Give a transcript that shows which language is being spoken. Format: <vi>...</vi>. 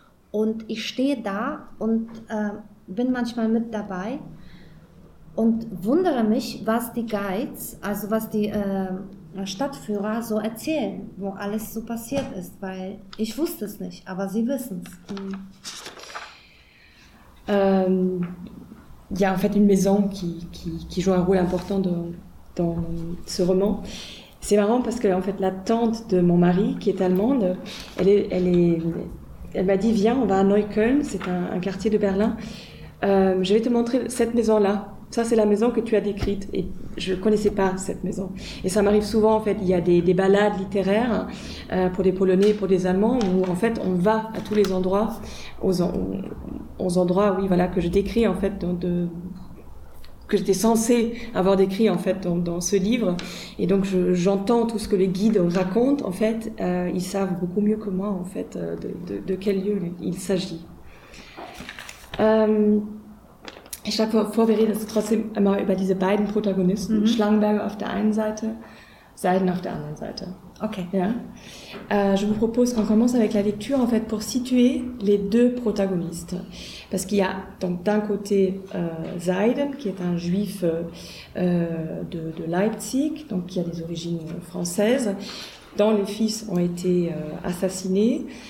<de>Und ich stehe da und bin manchmal mit dabei und wundere mich, was die Guides, also was die Stadtführer so erzählen, wo alles so passiert ist, weil ich wusste es nicht, aber sie wissen es.</de> <fr>Il y a en fait une maison qui joue un rôle important dans ce roman. C'est marrant parce que en fait la tante de mon mari, qui est allemande, elle m'a dit, viens, on va à Neukölln, c'est un quartier de Berlin. Je vais te montrer cette maison-là. Ça, c'est la maison que tu as décrite. Et je ne connaissais pas cette maison. Et ça m'arrive souvent, en fait, il y a des balades littéraires pour des Polonais, pour des Allemands, où, en fait, on va à tous les endroits, aux endroits, oui, voilà, que je décris, en fait, que j'étais censée avoir décrit, en fait, dans ce livre. Et donc, j'entends tout ce que les guides racontent, en fait. Ils savent beaucoup mieux que moi, en fait, de quel lieu il s'agit.</fr> <de>Ich sage vorher, dass es trotzdem immer über diese beiden Protagonisten, mm-hmm. Schlangenberger auf der einen Seite, Seiden auf der anderen Seite. Okay. Ja?</de> <fr>Je vous propose qu'on commence avec la lecture, en fait, pour situer les deux protagonistes. Parce qu'il y a donc d'un côté Seiden, qui est un juif de Leipzig, donc qui a des origines françaises, dont les fils ont été assassinés.</fr>